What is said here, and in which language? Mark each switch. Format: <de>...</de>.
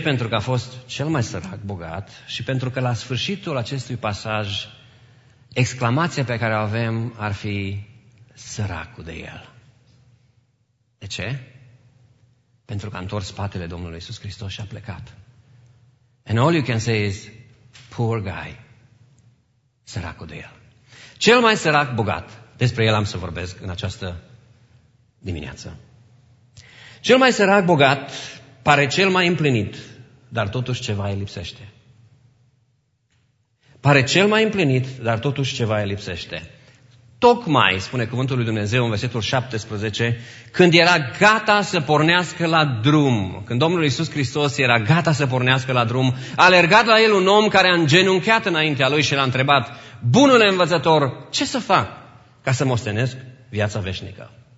<ro>Pentru că a fost cel mai sărac bogat și pentru că la sfârșitul acestui pasaj, exclamația pe care o avem ar fi săracul de el. De ce? Pentru că a întors spatele Domnului Iisus Hristos și a plecat.</ro> <en>And all you can say is, poor guy,</en> <ro>săracul de el. Cel mai sărac bogat, despre el am să vorbesc în această dimineață. Cel mai sărac bogat pare cel mai împlinit, dar totuși ceva îi lipsește. Pare cel mai împlinit, dar totuși ceva îi lipsește. Tocmai, spune cuvântul lui Dumnezeu în versetul 17, când era gata să pornească la drum, când Domnul Iisus Hristos era gata să pornească la drum, a alergat la el un om care a îngenunchiat înaintea lui și l-a întrebat, bunule învățător, ce să fac ca să moștenesc viața veșnică?</ro>